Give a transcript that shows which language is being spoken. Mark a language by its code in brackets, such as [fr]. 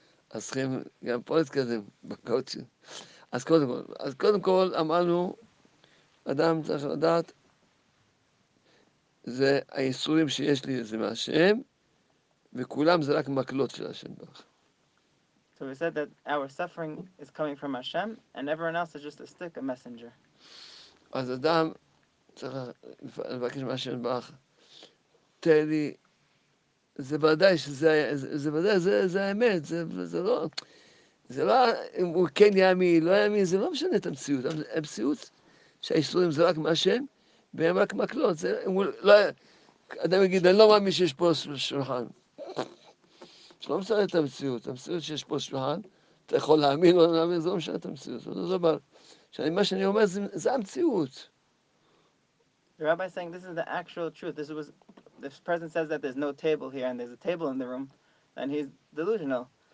[he] אז צריכים גם פה להתקדם, בקוצ'ין. אז קודם כל אמרנו, אדם צריך לדעת, זה האיסורים שיש לי, זה מהשם, וכולם זה רק מקלות של השם ברוך. [en] So we said that our suffering is coming from Hashem, and everyone else is just a stick, a messenger. [he] אז אדם צריך לבקש מהשם ברוך, תהיה לי, זה ודאי שזה, זה ודאי, זה האמת, זה לא, אם הוא כן יאמין, לא יאמין, זה לא משנה את המציאות, המציאות שהאיסורים זה רק מהשם, והם רק מקלות, זה, אם הוא לא, אדם יגיד, אני לא מאמין שיש פה שולחן. שלא משנה את המציאות, המציאות שיש פה שולחן, אתה יכול להאמין או לא להאמין, זה לא משנה את המציאות, זה לא דבר. מה שאני אומר זה המציאות. [en] The rabbi is saying this is the actual truth, this person says that there's no table here and there's a table in the room, and he's delusional.